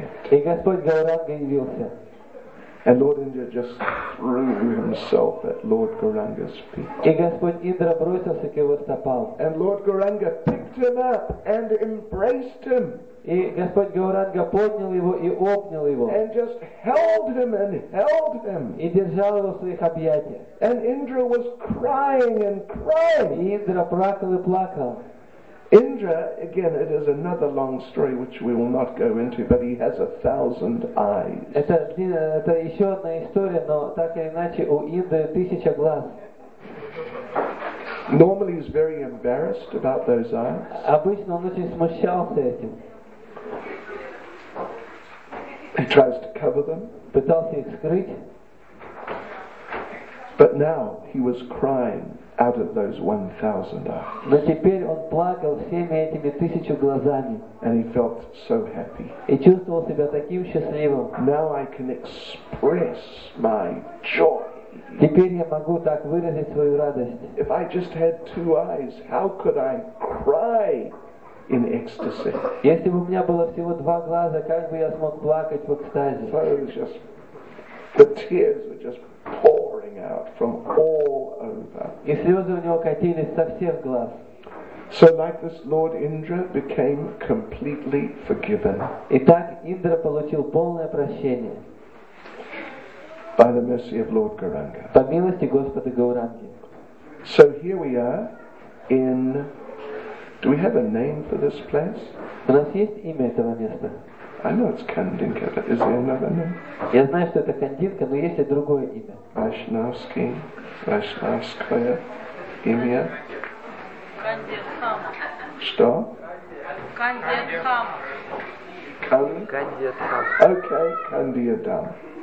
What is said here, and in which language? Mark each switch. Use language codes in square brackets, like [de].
[ru] И Господь Гауранга явился. [en] And Lord Indra just threw himself at Lord Gauranga's feet. [ru] И Господь Индра бросился к его стопам. [en] And Lord Gauranga picked him up and embraced him. [ru] И Господь Гауранга поднял его и обнял его. [en] And just held him and held him. [ru] И держал его в своих объятиях. [en] And Indra was crying and crying. [ru] И Индра плакал и плакал. [en] Indra, again, it is another long story which we will not go into, but he has 1,000 eyes. [ru] Это еще одна история, но так или иначе у Индры 1,000 глаз. [en] Normally, he's very embarrassed about those eyes. [ru] Обычно он очень смущался этим. [en] He tries to cover them. [ru] Пытался их скрыть. [en] But now he was crying out of those 1,000 eyes. [ru] Но теперь он плакал всеми этими 1,000 глазами. [en] And he felt so happy. [ru] И чувствовал себя таким счастливым. [en] Now I can express my joy. [ru] Теперь я могу так выразить свою радость. [en] If I just had 2 eyes, how could I cry in ecstasy? [ru] Если бы у меня было всего 2 глаза, как бы я смог плакать в экстазе? [en] So it was just, the tears were just pouring out from all over. [ru] И слезы у него катились со всех глаз. [en] So like this, Lord Indra became completely forgiven. [ru] И так Индра получил полное прощение. [en] By the mercy of Lord Gauranga. [ru] По милости Господа Гауранги. [en] So here we are in. Do we have a name for this place? [ru] У нас есть имя этого места? [en] I know it's Kandinka, but is there another name? [ru] Я знаю, что это Кандинка, но есть и другое имя. Vaishnavsky, Vaishnavskaya, имя. Кандидхама. Что? Кандидхама. Кандидхама. Okay, Кандидхама.